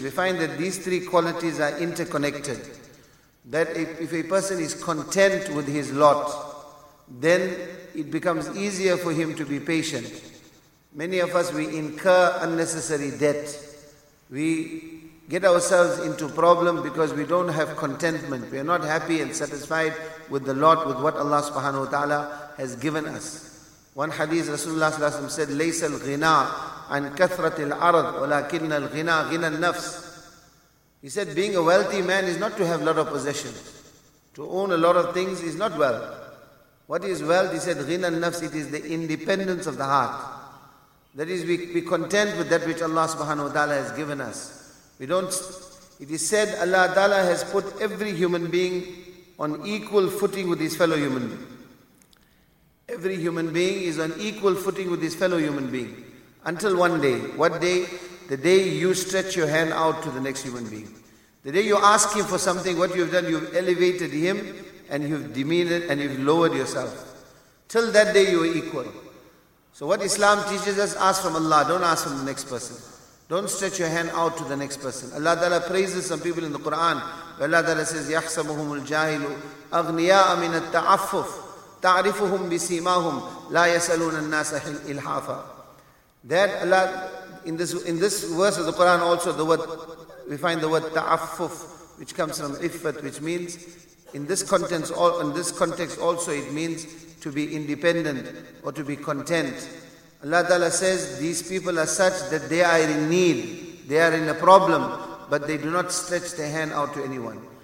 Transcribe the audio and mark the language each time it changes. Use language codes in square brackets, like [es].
[en] We find that these three qualities are interconnected. That if a person is content with his lot, then it becomes easier for him to be patient. Many of us, we incur unnecessary debt. We get ourselves into problem because we don't have contentment. We are not happy and satisfied with the lot, with what Allah subhanahu wa ta'ala has given us. One hadith, Rasulullah sallallahu alayhi wa sallam said, [ar] لَيْسَ الْغِنَىٰ عَنْ كَثْرَةِ الْأَرْضِ وَلَكِنَّ الْغِنَىٰ غِنَى النَّفْسِ. [en] He said, being a wealthy man is not to have a lot of possessions. To own a lot of things is not wealth. What is wealth? He said, [ar] غِنَى النَّفْسِ, [en] it is the independence of the heart. That is, we be content with that which Allah subhanahu wa ta'ala has given us. We don't, it is said Allah Ta'ala has put every human being on equal footing with his fellow human being. Every human being is on equal footing with his fellow human being. Until one day. What day? The day you stretch your hand out to the next human being. The day you ask him for something, what you've done, you've elevated him and you've demeaned and you've lowered yourself. Till that day you are equal. So what Islam teaches us, ask from Allah, don't ask from the next person. Don't stretch your hand out to the next person. Allah Ta'ala praises some people in the Quran. Allah Ta'ala says, [ar] يَحْسَبُهُمُ الْجَاهِلُ أَغْنِيَاءَ مِنَ التَّعَفُّفُ تَعْرِفُهُمْ بِسِيمَاهُمْ لَا يَسَلُونَ النَّاسَ إِلْحَافًا. [en] That Allah, in this verse of the Quran also, the word, we find the word ta'affuf, which comes from iffat, which means, in this context also, it means to be independent or to be content. Allah Ta'ala says, these people are such that they are in need, they are in a problem, but they do not stretch their hand out to anyone.